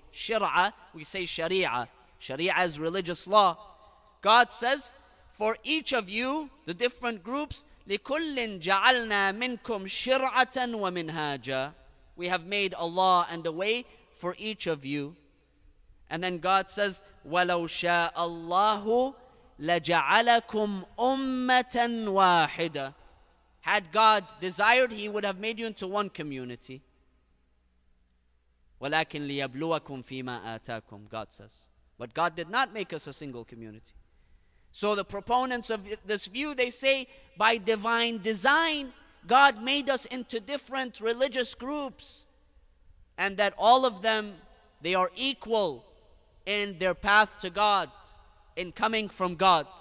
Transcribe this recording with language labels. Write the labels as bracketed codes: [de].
[en] Shir'a, we say sharia. Sharia is religious law. God says, for each of you, the different groups, [ar] لِكُلِّن جَعَلْنَا مِنْكُمْ شِرْعَةً وَمِنْهَاجًا. [en] We have made a law and a way for each of you. And then God says, [ar] وَلَوْ شَاءَ اللَّهُ لَجَعَلَكُمْ أُمَّةً وَاحِدًا. [en] Had God desired, He would have made you into one community. [ar] وَلَكِنْ لِيَبْلُوَكُمْ فِي مَا آتَاكُمْ, [en] God says. But God did not make us a single community. So the proponents of this view, they say, by divine design, God made us into different religious groups, and that all of them, they are equal in their path to God, in coming from God.